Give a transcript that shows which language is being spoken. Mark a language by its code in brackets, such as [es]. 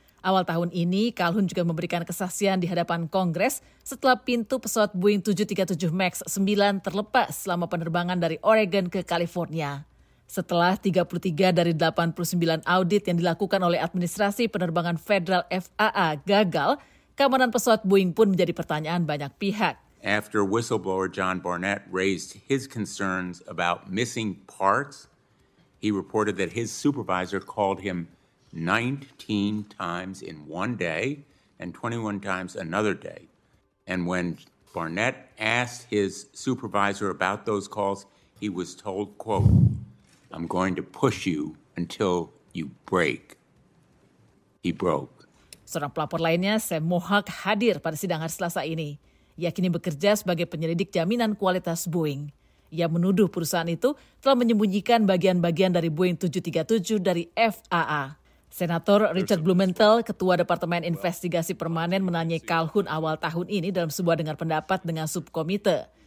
[id] Awal tahun ini, Calhoun juga memberikan kesaksian di hadapan Kongres setelah pintu pesawat Boeing 737 MAX 9 terlepas selama penerbangan dari Oregon ke California. Setelah 33 dari 89 audit yang dilakukan oleh Administrasi Penerbangan Federal FAA gagal, keamanan pesawat Boeing pun menjadi pertanyaan banyak pihak. [en] After whistleblower John Barnett raised his concerns about missing parts, he reported that his supervisor called him 19 times in one day and 21 times another day. And when Barnett asked his supervisor about those calls, he was told, quote, I'm going to push you until you break. He broke. [id] Seorang pelapor lainnya, Sam Mohawk, hadir pada sidang hari Selasa ini. Ia kini bekerja sebagai penyelidik jaminan kualitas Boeing. Ia menuduh perusahaan itu telah menyembunyikan bagian-bagian dari Boeing 737 dari FAA. Senator Richard Blumenthal, Ketua Departemen Investigasi Permanen, menanyai Calhoun awal tahun ini dalam sebuah dengar pendapat dengan subkomite.